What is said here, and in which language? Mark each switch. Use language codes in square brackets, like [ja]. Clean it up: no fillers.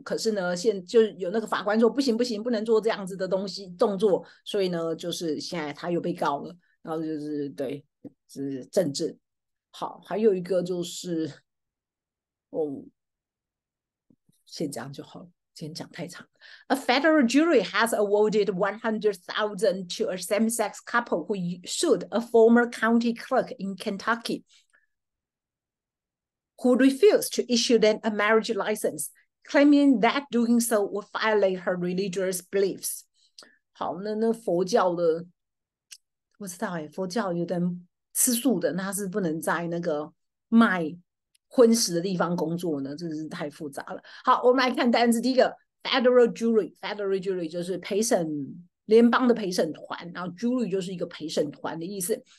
[zh] 可是呢，现在就有那个法官说不行不行，不能做这样子的东西动作。所以呢，就是现在他又被告了。然后就是对，是政治。好，还有一个就是，哦，先这样就好了。今天讲太长。 [en] A federal jury has awarded $100,000 to a same-sex couple who sued a former county clerk in Kentucky who refused to issue them a marriage license, claiming that doing so would violate her religious beliefs. [zh] 好，那佛教的，不知道耶，佛教有的人吃素的，那他是不能在那个卖荤食的地方工作呢，真是太复杂了。好，我们来看单词。第一个 ，federal jury，federal jury 就是陪审联邦的陪审团，然后 jury 就是一个陪审团的意思。